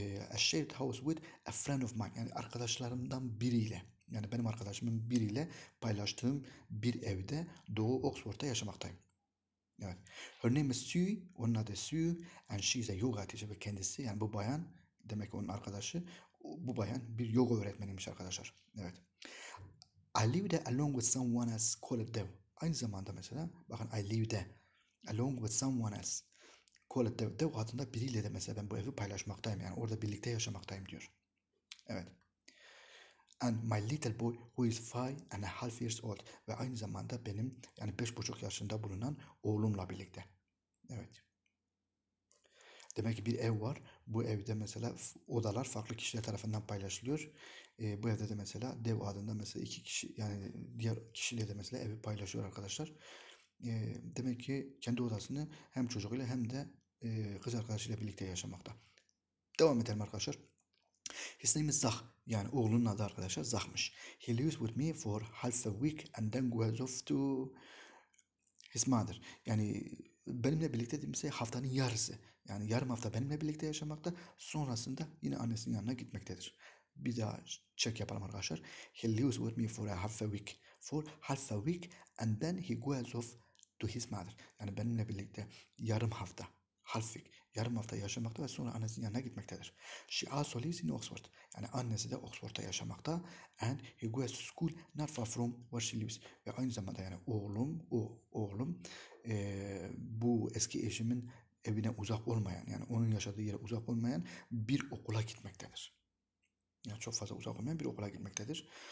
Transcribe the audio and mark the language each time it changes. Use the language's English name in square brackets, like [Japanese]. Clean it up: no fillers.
[English] A shared house with a friend of mine, [Turkish] yani arkadaşlarımdan biriyle, yani benim arkadaşımın biriyle paylaştığım bir evde, Doğu Oxford'da yaşamaktayım. Evet. [English] Her name is Sue, [Turkish] onun adı Sue [English] and she is a yoga teacher. [Turkish] Ve kendisi, yani bu bayan, demek ki onun arkadaşı, bu bayan bir yoga öğretmeniymiş arkadaşlar. Evet. [English] I live there along with someone else called Dev. [Turkish] Aynı zamanda mesela, bakın [English] I live there along with someone else called Dev. [Turkish] Dev adında biriyle de mesela ben bu evi paylaşmaktayım. Yani orada birlikte yaşamaktayım diyor. Evet. [English] And my little boy who is 5.5 years old. [Turkish] Ve aynı zamanda benim, yani 5.5 yaşında bulunan oğlumla birlikte. Evet. Demek ki bir ev var. Bu evde mesela odalar farklı kişiler tarafından paylaşılıyor. Bu evde de mesela Dev adında mesela iki kişi, yani diğer kişiyle de mesela evi paylaşıyor arkadaşlar. Demek ki kendi odasını hem çocuğuyla hem de kız arkadaşıyla birlikte yaşamakta. Devam edelim arkadaşlar. [English] His name is Zach. [Turkish] Yani oğlunun adı arkadaşlar Zach'mış. [English] He lives with me for half a week and then goes off to his mother. [Turkish] Yani benimle birlikte değilse haftanın yarısı. Yani yarım hafta benimle birlikte yaşamakta. Sonrasında yine annesinin yanına gitmektedir. Bir daha check yapalım arkadaşlar. [English] He lives with me for a half a week. For half a week and then he goes off to his mother. [Turkish] Yani benimle birlikte yarım hafta. [English] Half week. [Turkish] Yarım hafta yaşamakta ve sonra annesinin yanına gitmektedir. [English] She also lives in Oxford. [Turkish] Yani annesi de Oxford'da yaşamakta. [English] And he goes to school not far from where she lives. [Turkish] Ve aynı zamanda yani oğlum bu eski eşimin evine uzak olmayan, yani onun yaşadığı yere uzak olmayan bir okula gitmektedir. Yani çok fazla uzak olmayan bir okula gitmektedir.